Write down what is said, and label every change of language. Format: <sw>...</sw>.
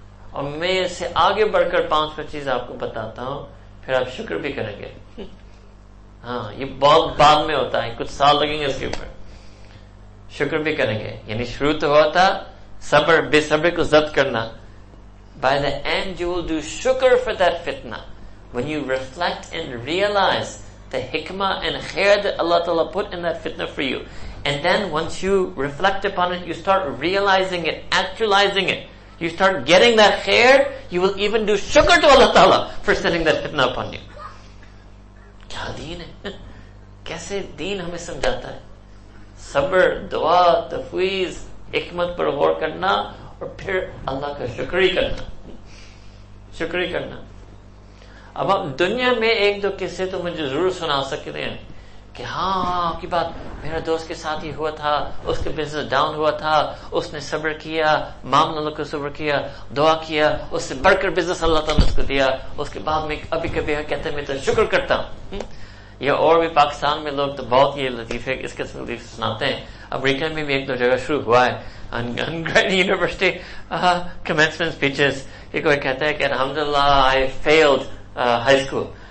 <ur>اور میں اسے آگے بڑھ کر پانچ چیز آپ کو بتاتا ہوں, پھر آپ شکر بھی کریں گے. ہاں, یہ بہت بعد میں ہوتا ہے, کچھ سال لگیں گے اس کے اوپر, شکر بھی کریں گے. یعنی شروع تو ہوا تھا صبر, بے صبر کو ضبط کرنا.</ur> <en>By the end you will do shukr for that fitna. When you reflect and realize the hikmah and khair that Allah Ta'ala put in that fitna for you, and then once you reflect upon it, you start realizing it, actualizing it, you start getting that khair, you will even do shukr to Allah Ta'ala for sending that fitna upon you.</en> <ur>Kya deen hai? Kaise deen hume samjhata hai? Sabr, dua, tafweez, hikmat par ghor karna, اور پھر اللہ کا شکری کرنا, شکری کرنا. اب آپ دنیا میں ایک دو قصے تو مجھے ضرور سنا سکتے ہیں کہ ہاں کی بات, میرا دوست کے ساتھ ہی ہوا تھا, اس کے بزنس ڈاؤن ہوا تھا, اس نے صبر کیا, معاملہ اللہ کو صبر کیا, دعا کیا, اس سے بڑھ کر بزنس اللہ تعالیٰ نے اس کو دیا, اس کے بعد میں ابھی کبھی کہتے ہیں میں تو شکر کرتا ہوں. یا اور بھی پاکستان میں لوگ تو بہت یہ لطیفے, اس قسم کے لطیفے سناتے ہیں. امریکہ میں بھی ایک دو جگہ شروع ہوا ہے,</ur> <en>undergrad university commencement speeches,</en> <ur>ye koi kehta hai ki</ur> <en>alhamdulillah I failed high school.</en>